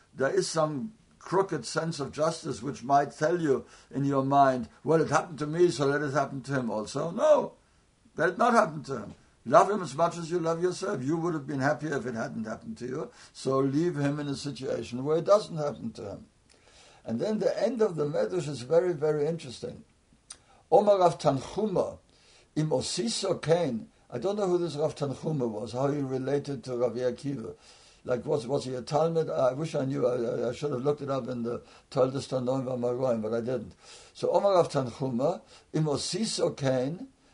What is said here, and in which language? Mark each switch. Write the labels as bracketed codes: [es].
[en] There is some crooked sense of justice which might tell you in your mind, well, it happened to me, so let it happen to him also. No. Let it not happen to him. Love him as much as you love yourself. You would have been happier if it hadn't happened to you. So leave him in a situation where it doesn't happen to him. And then the end of the Medrash is very, very interesting. [he] Omar Rav Tanchuma, im osiso kein. [en] I don't know who this Rav Tanchuma was, how he related to Rabbi Akiva. Like, was he a Talmud? I wish I knew. I should have looked it up in the Toldos Tanoim v'Amoraim, but I didn't. [he] So Omar Rav Tanchuma, im osiso kein.